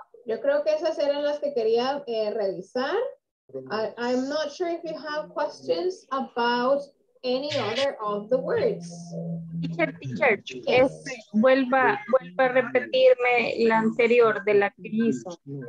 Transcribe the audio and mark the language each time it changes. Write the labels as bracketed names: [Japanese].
[Spanish] Yo creo que esas eran las que quería revisar. [English] I'm not sure if you have questions about any other of the words. Teacher, yes. [Spanish] vuelva a repetirme la anterior de la que hizo.